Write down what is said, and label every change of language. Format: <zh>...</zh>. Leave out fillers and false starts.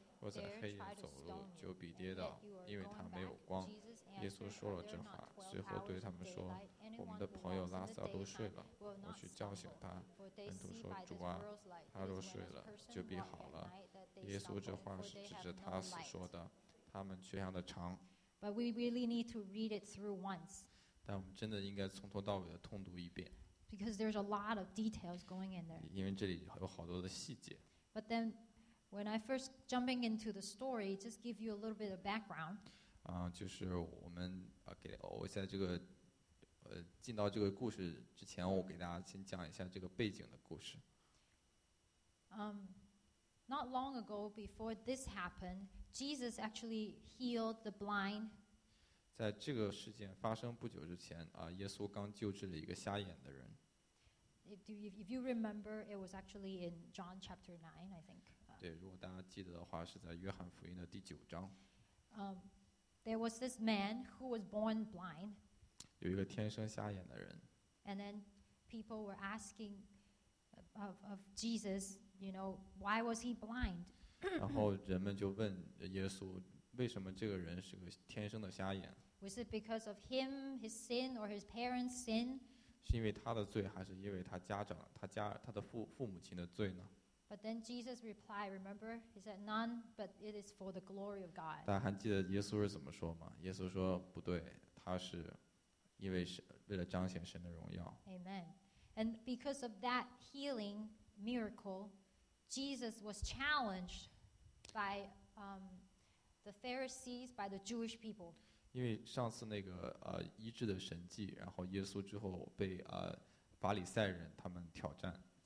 <zh>若在黑夜走路，就必跌倒，因为他没有光。” 耶稣说了这话，随后对他们说：“我们的朋友拉撒路睡了，我去叫醒他。” 门徒说：“主啊，他若睡了，就必好了。” 耶稣这话是指着他死说的，他们却想得长。</zh> <en>But we really need to read it through once.</en> <zh>但我们真的应该从头到尾的通读一遍。</zh> <en>Because there's a lot of details going in there.</en> <zh>因为这里有好多的细节。</zh> <en>But then. When I first jumping into the story, just give you a little bit of background.</en> <zh>就是我们给我在这个进到这个故事之前，我给大家先讲一下这个背景的故事。</zh> <en>Not long ago, before this happened, Jesus actually healed the blind.</en> <zh>在这个事件发生不久之前啊，耶稣刚救治了一个瞎眼的人。</zh> <en>If you remember, it was actually in John chapter 9, I think.</en> <zh>对，如果大家记得的话，是在约翰福音的第九章。</zh> <en>There was this man who was born blind.</en> <zh>有一个天生瞎眼的人。</zh> <en>And then people were asking of Jesus, you know, why was he blind?</en> <zh>然后人们就问耶稣，为什么这个人是个天生的瞎眼？</zh> <en>Was it because of him, his sin, or his parents' sin?</en> <zh>是因为他的罪，还是因为他家长、他的父母亲的罪呢？</zh> <en>But then Jesus replied, "Remember, he said, 'None, but it is for the glory of God.'"</en> <zh>大家还记得耶稣是怎么说吗？耶稣说：“不对，他是因为是为了彰显神的荣耀。”</zh> <en>Amen. And because of that healing miracle, Jesus was challenged by the Pharisees, by the Jewish people.</en> <zh>因为上次那个医治的神迹，然后耶稣之后被法利赛人他们挑战。</zh>